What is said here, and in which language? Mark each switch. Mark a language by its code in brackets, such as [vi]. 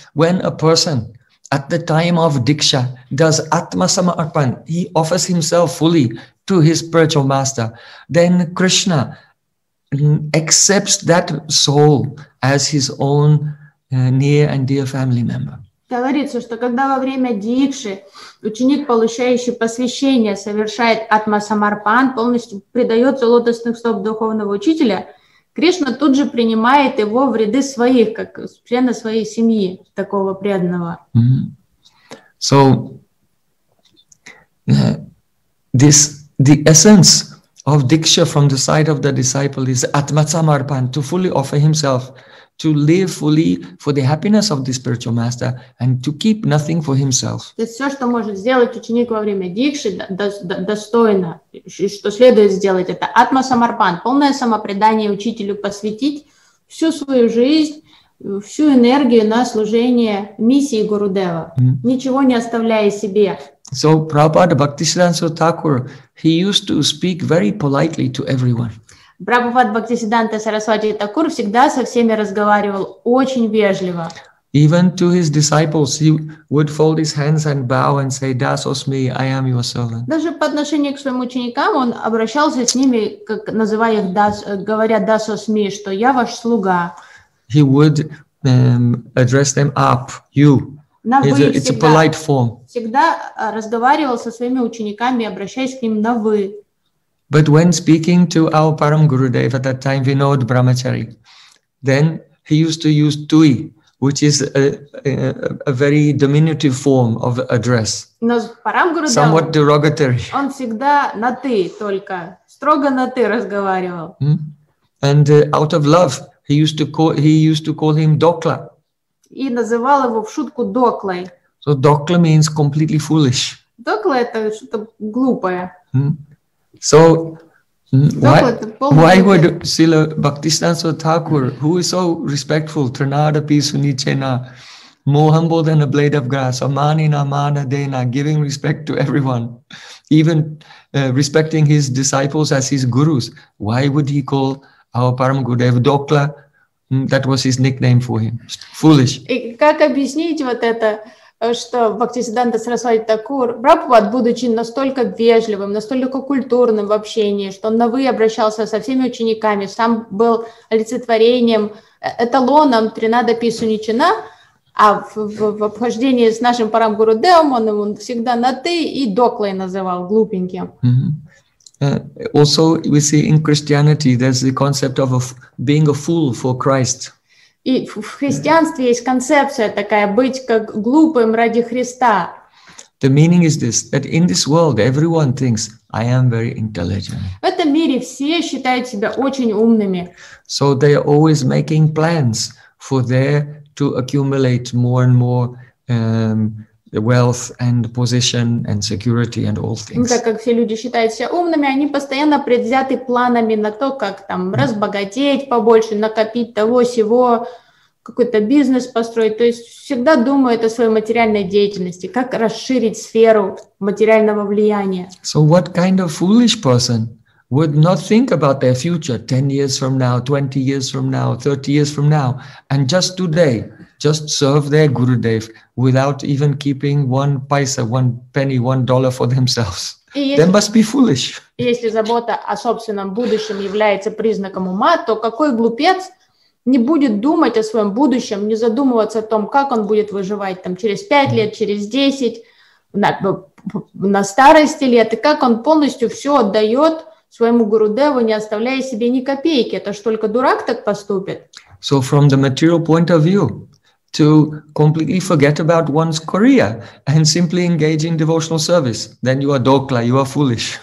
[en] When a person at the time of Diksha does Atmasamarpan, he offers himself fully to his spiritual master, then Krishna accepts that soul as his own near and dear family member. [ru] Говорится, что когда во время дикши ученик, получающий посвящение, совершает атмасамарпан, полностью предается лотосных стоп духовного учителя, Кришна тут же принимает его в ряды своих, как члена своей семьи, такого преданного. Mm-hmm. [en] So, this, the essence of diksha from the side of the disciple is atmasamarpan, to fully offer himself, to live fully for the happiness of the spiritual master and to keep nothing for himself. [ru] То есть все, что может сделать ученик во время дикши, достойно, что следует сделать, это атмасамарпан, полное самопредание учителю, посвятить всю свою жизнь, всю энергию на служение миссии Гурудева, ничего не оставляя себе. [en] So Prabhupada Bhaktisiddhanta Thakur, he used to speak very politely to everyone. [ru] Прабхупад Бхактисиддханта Сарасвати Такур всегда со всеми разговаривал очень вежливо. [en] Even to his disciples, he would fold his hands and bow and say, Dasosmi, I am your servant. [ru] Даже по отношению к своим ученикам он обращался с ними, как называя их, говоря Dasosmi, что я ваш слуга. [en] He would address them up, you. It's a polite form. [ru] Всегда разговаривал со своими учениками, обращаясь к ним на вы. [en] But when speaking to our Param Gurudev at that time, Vinod Brahmachari, then he used to use tui, which is a very diminutive form of address. [ru] Но Param Gurudev, [en] somewhat derogatory. [ru] Он всегда на ты только, строго на ты разговаривал. [en] And out of love, he used to call him Dokla. [ru] И называл его в шутку Доклой. [en] So Dokla means completely foolish. [ru] Докла – это что-то глупое. [en] So, why would Srila Bhaktisiddhanta Thakur, who is so respectful, Trinada Pisuni Chena, more humble than a blade of grass, Amanina Amana Dena, giving respect to everyone, even respecting his disciples as his gurus, why would he call our Param Gurudev Dokla? That was his nickname for him. Foolish. [ru] Как объяснить вот это? что Бхактисиддханта Сарасвати Такур, Прабхупад, будучи настолько вежливым, настолько культурным в общении, что он на «вы» обращался со всеми учениками, сам был олицетворением, эталоном Тринада Писуничина, а в обхождении с нашим Парам Гуру Девом он всегда на «ты» и «доклой» называл, глупеньким. [en] Mm-hmm. Also, we see in Christianity there's the concept of being a fool for Christ. [ru] И в христианстве есть концепция такая, быть как глупым ради Христа. [en] The meaning is this, that in this world everyone thinks I am very intelligent. [ru] В этом мире все считают себя очень умными. [en] So they are always making plans for there to accumulate more and more the wealth and position and security and all things. [ru] Так как все люди считают себя умными, они постоянно предвзяты планами на то, как там разбогатеть побольше, накопить того сего, какой-то бизнес построить. То есть всегда думают о своей материальной деятельности, как расширить сферу материального влияния. [en] So what kind of foolish person would not think about their future 10 years from now, 20 years from now, 30 years from now, and just today, just serve their Gurudev without even keeping one paisa, one penny, one dollar for themselves? They must be foolish. [ru] Если забота о собственном будущем является признаком ума, то какой глупец не будет думать о своем будущем, не задумываться о том, как он будет выживать там через 5 лет, через 10, на старости лет, и как он полностью все отдает своему Гурудеву, не оставляя себе ни копейки. Это ж только дурак так поступит. [en] So from the material point of view, to completely forget about one's career and simply engage in devotional service, then you are dokla, you are foolish.